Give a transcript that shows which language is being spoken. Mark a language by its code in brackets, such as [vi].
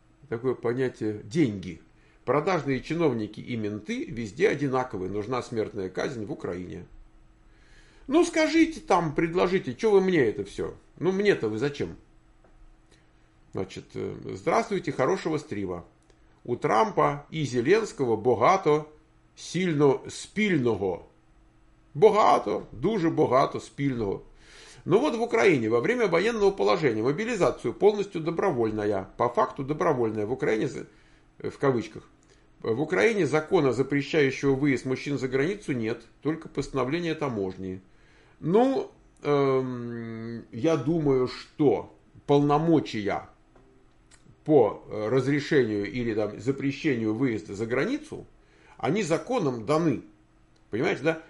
[ru] Такое понятие деньги. Продажные чиновники и менты везде одинаковы. Нужна смертная казнь в Украине. Ну, скажите там, предложите, что вы мне это все? Ну, мне-то вы зачем? Значит, здравствуйте, хорошего стрима. [uk] У Трампа и Зеленского богато, сильно спільного. Богато, дуже богато спільного. [ru] Ну вот в Украине во время военного положения мобилизацию полностью добровольная, по факту добровольная, в Украине, в кавычках, в Украине закона, запрещающего выезд мужчин за границу, нет, только постановление таможни. Ну, я думаю, что полномочия по разрешению или там запрещению выезда за границу, они законом даны. Понимаете, да?